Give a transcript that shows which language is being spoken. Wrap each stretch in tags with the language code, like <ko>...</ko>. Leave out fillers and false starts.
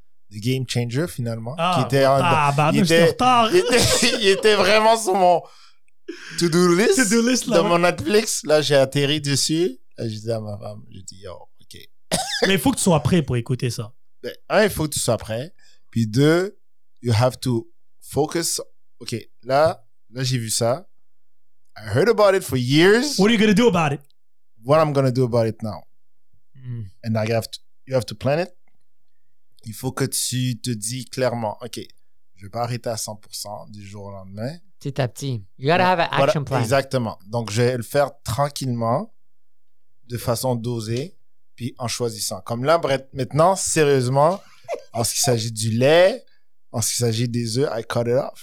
<fr>The Game Changer, finalement. Ah, qui était retard. Il était vraiment sur mon to-do list là, mon Netflix. Là, j'ai atterri dessus. Là, j'ai dit à ma femme, j'ai dit, yo, OK. Mais il faut que tu sois prêt pour écouter ça. Il faut que tu sois prêt. Puis deux,</fr> <en>you have to focus.</en> <fr>OK, là, j'ai vu ça.</fr> <en>I heard about it for years. What are you going to do about it? What I'm going to do about it now. And I have to, you have to plan it.</en> <fr>Il faut que tu te dis clairement, OK, je ne vais pas arrêter à 100% du jour au lendemain. Petit à petit.</fr> <en>You gotta have an action plan.</en> <fr>Exactement. Donc, je vais le faire tranquillement, de façon dosée, puis en choisissant. Comme là, maintenant, sérieusement, en ce qui s'agit du lait, en ce qui s'agit des œufs,</fr> <en>I cut it off.</en>